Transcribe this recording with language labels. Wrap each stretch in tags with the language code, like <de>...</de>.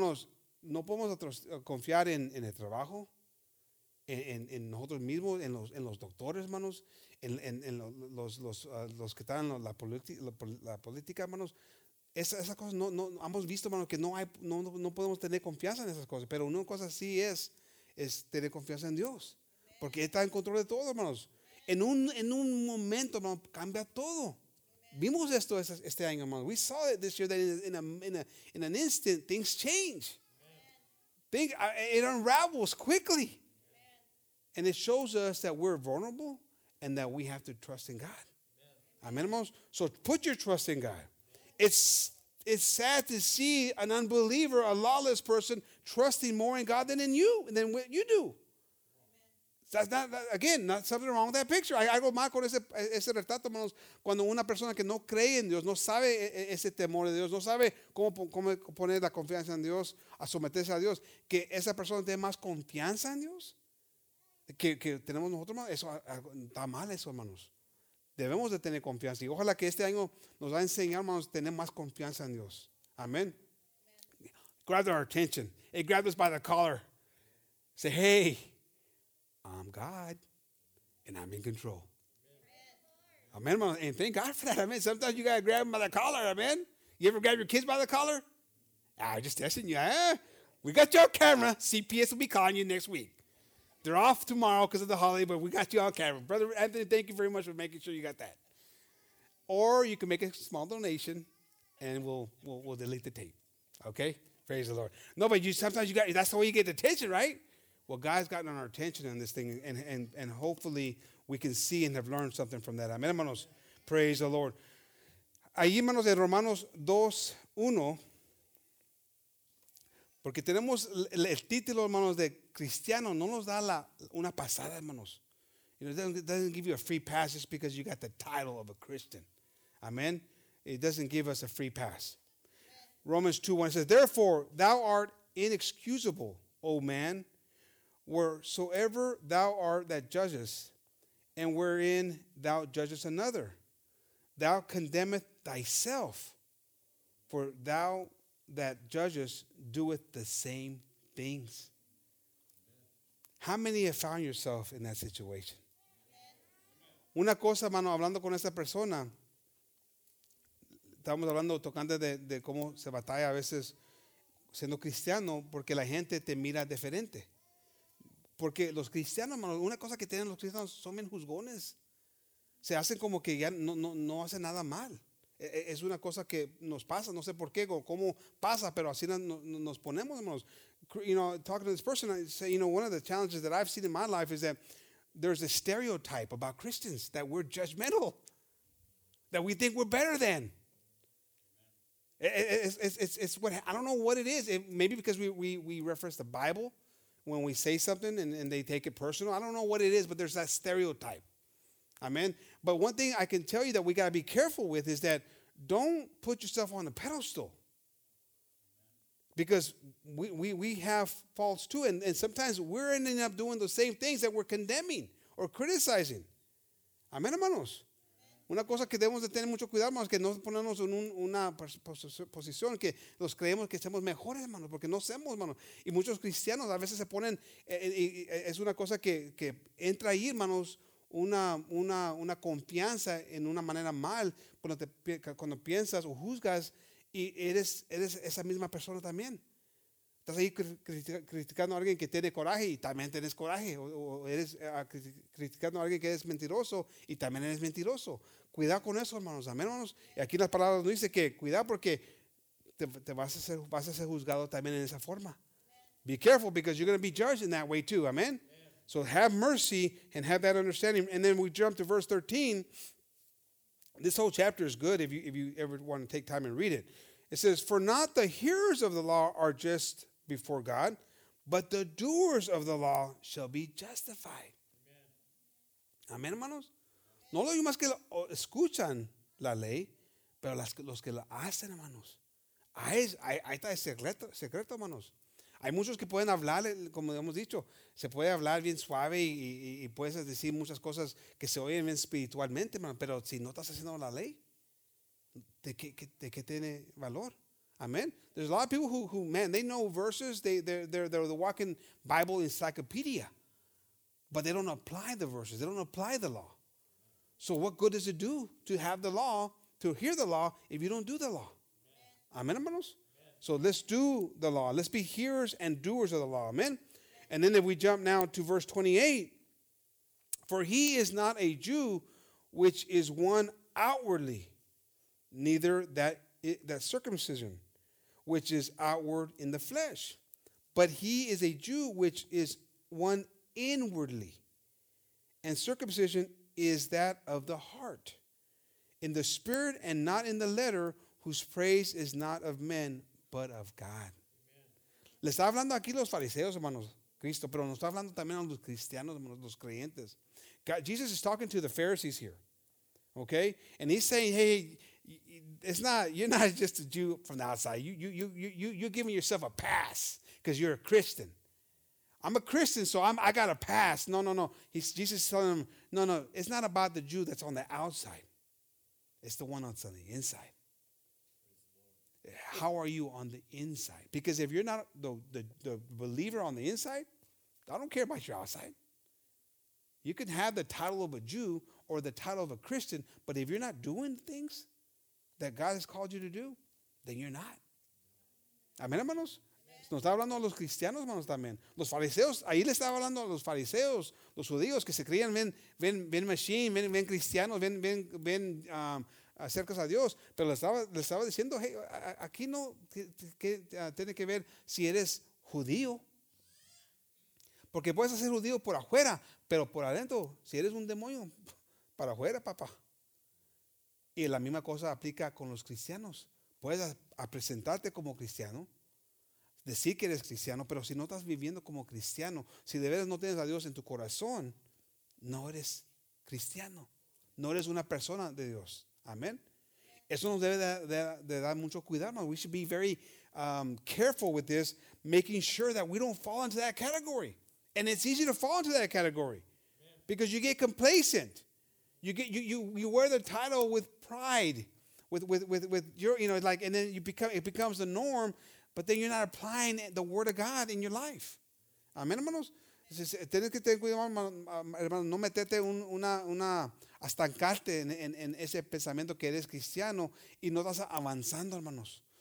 <es>Hermanos, no podemos confiar en el trabajo, en nosotros mismos, en los doctores, hermanos, en los que están en la política, hermanos. Esa cosa no hemos visto, hermano, que no podemos tener confianza en esas cosas. Pero una cosa sí es tener confianza en Dios. Porque Él está en control de todo, hermanos. En un momento, hermano, cambia todo. Vimos esto este año, hermano.</es> <en>We saw it this year that in an instant, things change. It unravels quickly. And it shows us that we're vulnerable and that we have to trust in God. Amen, hermanos. So put your trust in God. It's sad to see an unbeliever, a lawless person, trusting more in God than in you, than what you do. That's not, again, not something wrong with that picture.</en> <es>I go mal con ese retrato, hermanos, cuando una persona que no cree en Dios, no sabe ese temor de Dios, no sabe cómo poner la confianza en Dios, a someterse a Dios, que esa persona tiene más confianza en Dios que tenemos nosotros, hermanos. Eso está mal, eso, hermanos. Debemos de tener confianza. Y ojalá que este año nos va a enseñar, hermanos, a tener más confianza en Dios.</es> <en>Amén. Grabbed our attention. It grabbed us by the collar. Say, hey, I'm God, and I'm in control. Amen, hermanos. And thank God for that. Amen. Sometimes you got to grab them by the collar. Amen. You ever grab your kids by the collar? I'm just testing you. Eh? We got your camera. CPS will be calling you next week. They're off tomorrow because of the holiday, but we got you on camera. Brother Anthony, thank you very much for making sure you got that. Or you can make a small donation, and we'll delete the tape. Okay? Praise the Lord. No, but that's the way you get the attention, right? Well, God's gotten on our attention on this thing, and hopefully we can see and have learned something from that. Amen, hermanos. Praise the Lord.</en> <es>Ahí, hermanos, en Romanos 2:1, porque tenemos el título, hermanos, de Cristiano, no nos da una pasada, hermanos.</es> <en>You know, it doesn't give you a free pass just because you got the title of a Christian. Amen? It doesn't give us a free pass. Romans 2:1 says, therefore, thou art inexcusable, O man, wheresoever thou art that judgest, and wherein thou judgest another. Thou condemnest thyself, for thou that judgest doeth the same things. How many have found yourself in that situation?</en> <es>Una cosa, mano, hablando con esa persona, estamos hablando, tocando de cómo se batalla a veces siendo cristiano, porque la gente te mira diferente. Porque los cristianos, mano, una cosa que tienen los cristianos, son bien juzgones. Se hacen como que ya no hacen nada mal. Es una cosa que nos pasa, no sé por qué, cómo pasa, pero así nos ponemos, hermanos.</es> <en>You know, talking to this person, I say, you know, one of the challenges that I've seen in my life is that there's a stereotype about Christians that we're judgmental, that we think we're better than. It's what, I don't know what it is. Maybe because we reference the Bible when we say something and they take it personal. I don't know what it is, but there's that stereotype. Amen. But one thing I can tell you that we got to be careful with is that don't put yourself on a pedestal. Because we have faults too. And sometimes we're ending up doing the same things that we're condemning or criticizing. Amen, hermanos.</en> <es>Una cosa que debemos de tener mucho cuidado, hermanos, que no ponernos en una posición que nos creemos que somos mejores, hermanos, porque no somos, hermanos. Y muchos cristianos a veces se ponen, es una cosa que entra ahí, hermanos, una confianza en una manera mal cuando piensas o juzgas y eres esa misma persona también. Estás ahí criticando a alguien que tiene coraje y también tienes coraje. O eres criticando a alguien que es mentiroso y también eres mentiroso. Cuidado con eso, hermanos. Amén, hermanos. Y aquí las palabras nos dicen que cuidado porque te vas a ser juzgado también en esa forma.</es> <en>Be careful because you're going to be judged in that way too. Amén. So have mercy and have that understanding. And then we jump to verse 13. This whole chapter is good if you ever want to take time and read it. It says, for not the hearers of the law are just before God, but the doers of the law shall be justified. Amen, amen, hermanos. Amen.</en> <es>No los más que escuchan la ley, pero los que la hacen, hermanos. Ahí está el secreto, hermanos. Hay muchos que pueden hablar, como hemos dicho, se puede hablar bien suave y puedes decir muchas cosas que se oyen bien espiritualmente, hermano, pero si no estás haciendo la ley, ¿De qué tiene valor?</es> <en>Amen. There's a lot of people who man, they know verses. They're the walking Bible encyclopedia. But they don't apply the verses. They don't apply the law. So what good does it do to have the law, to hear the law, if you don't do the law? Amen, hermanos. Amen. So let's do the law. Let's be hearers and doers of the law. Amen. And then if we jump now to verse 28, for he is not a Jew which is one outwardly, neither that circumcision, which is outward in the flesh. But he is a Jew, which is one inwardly. And circumcision is that of the heart, in the spirit and not in the letter, whose praise is not of men, but of God. Amen.</en> <es>Le está hablando aquí los fariseos, hermanos, Cristo, pero nos está hablando también a los cristianos, hermanos, los creyentes.</es> <en>God, Jesus is talking to the Pharisees here, okay? And he's saying, hey, it's not, you're not just a Jew from the outside. You're giving yourself a pass because you're a Christian. I'm a Christian, so I got a pass. No. Jesus is telling them, no, it's not about the Jew that's on the outside. It's the one that's on the inside. How are you on the inside? Because if you're not the believer on the inside, I don't care about your outside. You can have the title of a Jew or the title of a Christian, but if you're not doing things that God has called you to do, then you're not.</en> <es>Amén, hermanos. Amen. Nos está hablando a los cristianos, hermanos, también. Los fariseos, ahí le estaba hablando a los fariseos, los judíos que se creían bien machine, bien cristianos, bien acercas a Dios. Pero le estaba diciendo, hey, aquí no tiene que ver si eres judío. Porque puedes ser judío por afuera, pero por adentro, si eres un demonio, para afuera, papá. Y la misma cosa aplica con los cristianos. Puedes a presentarte como cristiano, decir que eres cristiano, pero si no estás viviendo como cristiano, si de veras no tienes a Dios en tu corazón, no eres cristiano. No eres una persona de Dios. Amén. Eso nos debe de dar mucho cuidado.</es> <en>No, we should be very careful with this, making sure that we don't fall into that category. And it's easy to fall into that category. Amen. Because you get complacent. You wear the title with pride, with your, you know, like, and then it becomes the norm, but then you're not applying the word of God in your life.</en> <es>Amén, hermanos. Tienes que tener cuidado, hermano, no meterte una estancarte en ese pensamiento que eres cristiano y no estás avanzando, hermanos.</es>